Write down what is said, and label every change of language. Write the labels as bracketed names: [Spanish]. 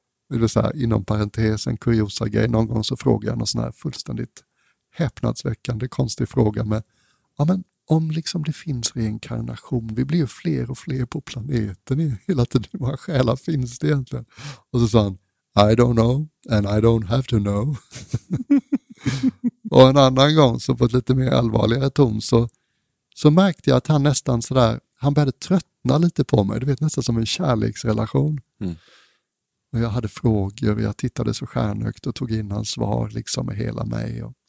[Swedish] Det vill säga, inom parentes, en kuriosa grej. Någon gång så frågade jag någon sån här fullständigt häpnadsväckande konstig fråga med, ja men om liksom det finns reinkarnation, vi blir ju fler och fler på planeten hela tiden, våra själar finns det egentligen? Och så sa han, [English] I don't know and I don't have to know. [Swedish] Och en annan gång så på ett lite mer allvarligare ton så märkte jag att han nästan sådär, han började tröttna lite på mig, du vet, nästan som en kärleksrelation. Mm. Och jag hade frågor och jag tittade så stjärnhögt och tog in hans svar liksom med hela mig.